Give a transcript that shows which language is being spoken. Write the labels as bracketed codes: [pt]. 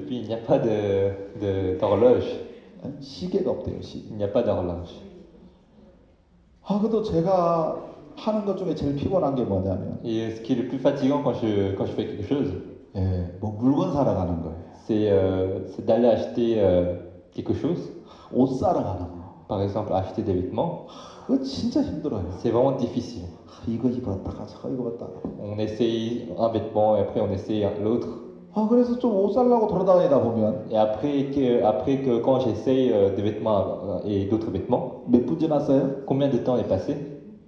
[fr] puis, il n'y a pas d'horloge. Il n'y a pas d'horloge. [ko] 아, 그래도 제가 하는 것 중에 제일 피곤한 게 뭐냐면 [fr] 예, ce qui est le plus fatigant quand je fais quelque chose [ko] 예, 뭐 물건 사러 가는 거예요 [fr] c'est d'aller acheter quelque chose [ko] 옷 사러 가는 거 [fr] par exemple acheter des vêtements [ko] 그거 진짜 힘들어요 [fr] c'est vraiment difficile [ko] 아, 이거 입었다가 저거 입었다가 [fr] on essaye un vêtement et après on essaye l'autre [ko] 아, 그래서 좀 옷 사려고 돌아다니다 보면 [fr] et après que quand j'essaye des vêtements et d'autres vêtements [ko] 몇 분 지났어요? [fr] Combien de temps est passé?